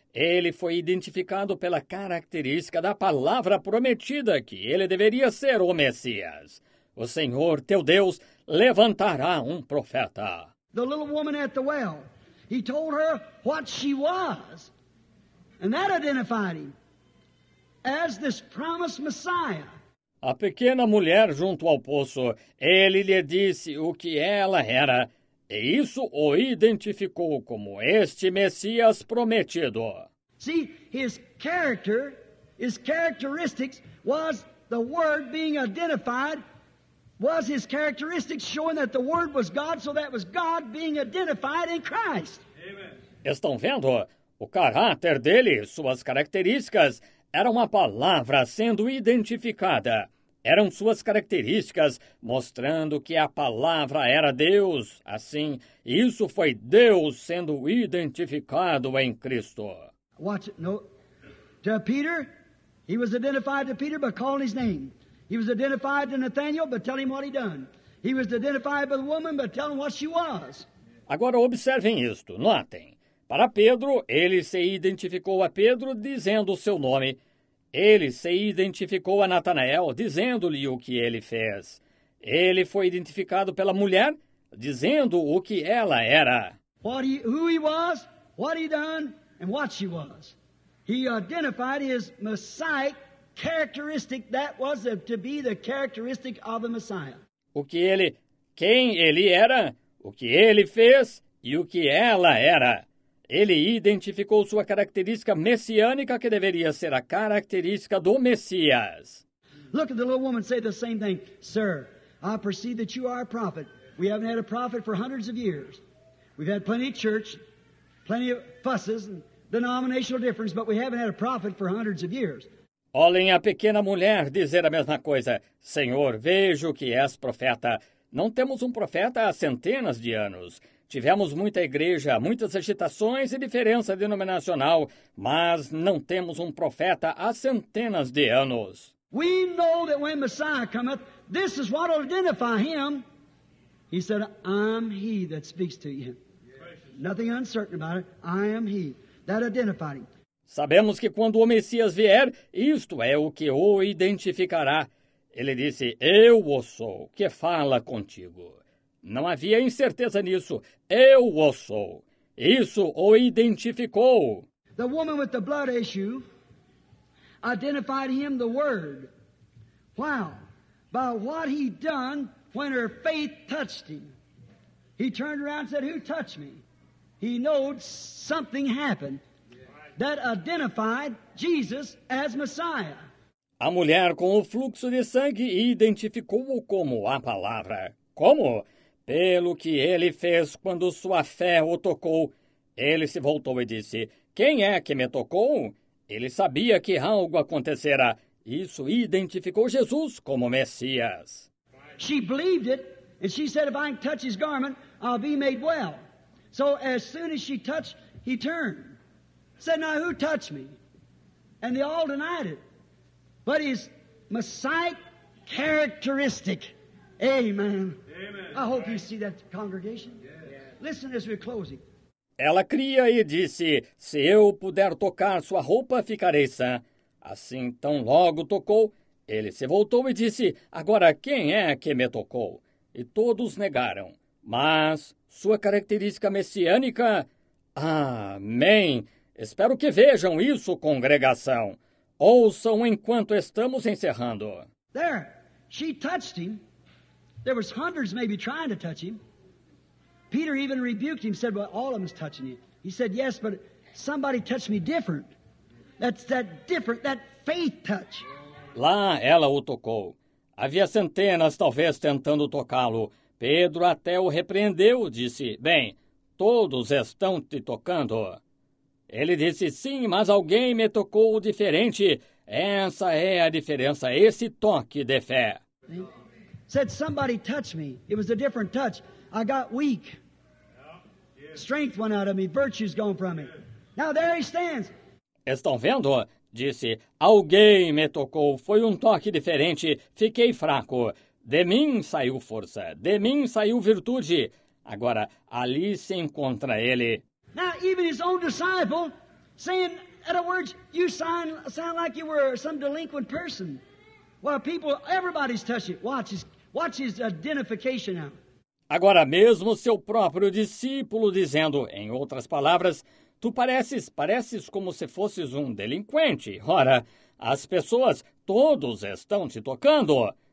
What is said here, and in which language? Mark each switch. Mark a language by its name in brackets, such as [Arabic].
[Portuguese] Ele foi identificado pela característica da palavra prometida que ele deveria ser o Messias. O Senhor teu Deus levantará um profeta. [English] The little woman at the well, he told her what she was. And that identified him as this promised Messiah. [Portuguese] A pequena mulher junto ao poço, ele lhe disse o que ela era, e isso o identificou como este Messias prometido. [English] See, his character, his characteristics was the word being identified, was his characteristics showing that the word was God, so that was God being identified in Christ. Amen. [Portuguese] Estão vendo? O caráter dele, suas características, era uma palavra sendo identificada. Eram suas características mostrando que a palavra era Deus. Assim, isso foi Deus sendo identificado em Cristo. [English] Watch it. No. To Peter, he was identified to Peter by calling his name. He was identified to Nathanael by telling him what he done. He was identified by the woman by telling him what she was. [Portuguese] Agora observem isto, notem. Para Pedro, ele se identificou a Pedro dizendo o seu nome. Ele se identificou a Natanael dizendo-lhe o que ele fez. Ele foi identificado pela mulher, dizendo o que ela era. [English] Who he was, what he done, and what she was. He identified his Messiah characteristic that was to be the characteristic of the Messiah. [Portuguese] O que ele, quem ele era, o que ele fez e o que ela era. Ele identificou sua característica messiânica que deveria ser a característica do Messias. [English] Look at the little woman say the same thing. Sir, I perceive that you are a prophet. We haven't had a prophet for hundreds of years. We've had plenty of church, plenty of fusses and denominational difference, but we haven't had a prophet for hundreds of years. [Portuguese] Olhem a pequena mulher dizer a mesma coisa. Senhor, vejo que és profeta. Não temos um profeta há centenas de anos. Tivemos muita igreja, muitas agitações e diferença denominacional, mas não temos um profeta há centenas de anos. [English] We know that when Messiah cometh, this is what will identify him. He said, I'm he that speaks to you. Yes. Nothing uncertain about it. I am he. That identified him. [Portuguese] Sabemos que quando o Messias vier, isto é o que o identificará. Ele disse, eu o sou, que fala contigo. Não havia incerteza nisso. Eu o sou. Isso o identificou. [English] The woman with the blood issue identified him the word. Wow. By what he done when her faith touched him. He turned around and said, who touched me? He knowed something happened. That identified Jesus as Messiah. [Portuguese] A mulher com o fluxo de sangue identificou-o como a palavra. Como? Pelo que ele fez quando sua fé o tocou. Ele se voltou e disse, quem é que me tocou? Ele sabia que algo acontecera. Isso identificou Jesus como Messias. [English] She believed it, and she said, if I can touch his garment, I'll be made well. So as soon as she touched, he turned. Said, now who touched me? And they all denied it. But his Messiah characteristic. Amen. Amen. I hope you see that congregation. Yes. Listen as we're closing. [Portuguese] Ela cria e disse, se eu puder tocar sua roupa, ficarei sã. Assim, tão logo tocou, ele se voltou e disse, agora quem é que me tocou? E todos negaram. Mas sua característica messiânica, amém. Espero que vejam isso, congregação. Ouçam enquanto estamos encerrando. [English] There, she touched him. There was hundreds maybe trying to touch him. Peter even rebuked him, said, well, all of them's touching you. He said, yes, but somebody touched me different. That's that different, that faith touch. [Portuguese] Lá ela o tocou. Havia centenas, talvez, tentando tocá-lo. Pedro até o repreendeu, disse, bem, todos estão te tocando. Ele disse, sim, mas alguém me tocou diferente. Essa é a diferença, esse toque de fé. [English] Said, somebody touched me. It was a different touch. I got weak. Strength went out of me. Virtue's gone from me. Now there he stands. [Portuguese] Estão vendo? Disse, alguém me tocou. Foi um toque diferente. Fiquei fraco. De mim saiu força. De mim saiu virtude. Agora, ali se encontra ele. [English] Now even his own disciple saying, in other words, you sound like you were some delinquent person. Well, people, everybody's touching it. Watch his identification now. [Portuguese] Agora mesmo seu próprio discípulo dizendo, em outras palavras, tu pareces como se fosses um delinquente. Ora, as pessoas, todos estão te tocando.